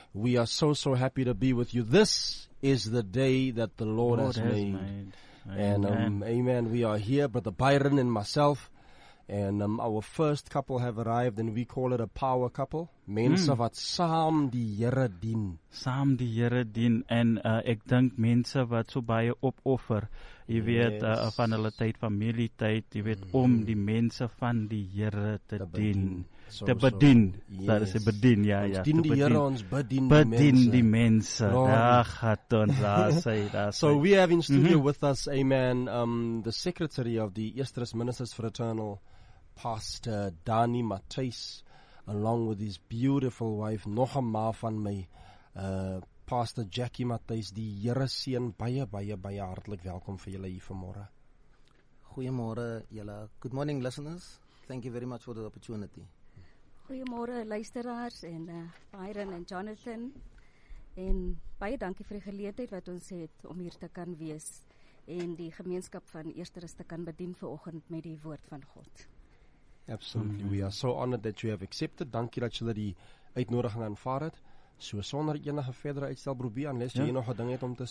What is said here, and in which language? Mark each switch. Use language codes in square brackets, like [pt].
[en] We are so happy to be with you. This is the day that the Lord has made. Amen. And amen, we are here, Brother Byron and myself. And our first couple have arrived, and we call it a power couple. [af] Mense wat saam die Here dien. Saam die Here dien. En ek dink mense wat so baie opoffer, jy weet, van hulle tyd, familie tyd, jy weet, om die mense van die Here te dien. Te bedien. Dat is bedien, ja, ja. Dien die Here, ons bedien die mense. Bedien die mense. Daar gaat ons, daar sê, daar [en] sê. So we have in studio with us, amen, the secretary of the Eastern Ministers Fraternal, Pastor Danny Matthys, along with his beautiful wife, [af] nog 'n ma van my, [en] Pastor Jackie Matthys, [af] die Here seën baie, baie, baie hartlik welkom vir julle hier vanmôre. Goeiemôre julle. [en] Good morning, listeners. Thank you very much for the opportunity. [af] Goeiemôre luisteraars en Byron en Jonathan. En baie dankie vir die geleentheid wat ons het om hier te kan wees en die gemeenskap van Eersteres te kan bedien vanoggend met die woord van God. [en] Absolutely, we are so honored that you have accepted. [af] Dankie dat julle die uitnodiging aanvaar het. So sonder enige verdere uitstel probeer, unless jy nog 'n ding het om te sê.